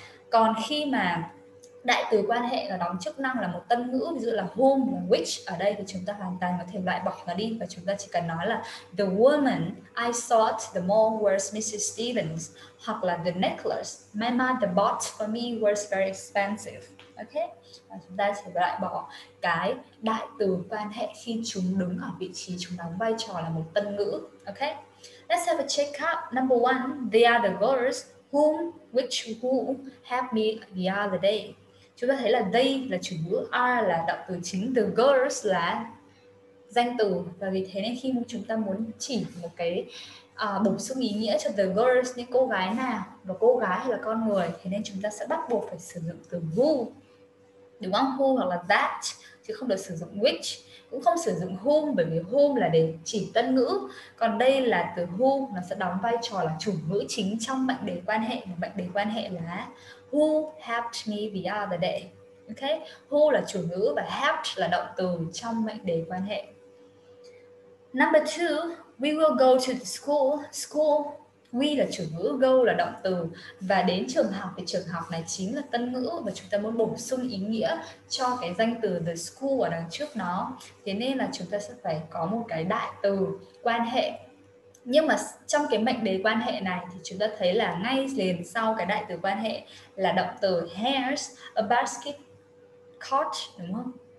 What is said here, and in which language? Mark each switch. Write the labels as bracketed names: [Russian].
[Vietnamese] Còn khi mà đại từ quan hệ nó đóng chức năng là một tân ngữ, ví dụ là whom, là which, ở đây thì chúng ta hoàn toàn có thể loại bỏ nó đi và chúng ta chỉ cần nói là [English] the woman I saw at the mall was Mrs. Stevens, [Vietnamese] hoặc là [English] the necklace my mother bought for me was very expensive. [Vietnamese] Ok, và chúng ta sẽ loại bỏ cái đại từ quan hệ khi chúng đứng ở vị trí chúng đóng vai trò là một tân ngữ. [English] Ok, let's have a check up. Number one, they are the girls whom, which, who have me the other day. [Vietnamese] Chúng ta thấy là they là chủ ngữ, are là động từ chính, the girls là danh từ. Và vì thế nên khi chúng ta muốn chỉ một cái bổ sung ý nghĩa cho the girls, như cô gái nào, và cô gái hay là con người, thế nên chúng ta sẽ bắt buộc phải sử dụng từ who, đúng không? Who hoặc là that, chứ không được sử dụng which, cũng không sử dụng whom, bởi vì whom là để chỉ tân ngữ. Còn đây là từ who, nó sẽ đóng vai trò là chủ ngữ chính trong mệnh đề quan hệ, và mệnh đề quan hệ là [English] who helped me the other day. [Vietnamese] Ok, who là chủ ngữ và helped là động từ trong mệnh đề quan hệ. [English] Number two, we will go to the school. [Vietnamese] School, we là chủ ngữ, go là động từ, và đến trường học thì trường học này chính là tân ngữ, và chúng ta muốn bổ sung ý nghĩa cho cái danh từ the school ở đằng trước nó. Thế nên là chúng ta sẽ phải có một cái đại từ quan hệ Nhưng mà trong cái mệnh đề quan hệ này thì chúng ta thấy là ngay liền sau cái đại từ quan hệ là động từ hairs, a basket caught, đúng không?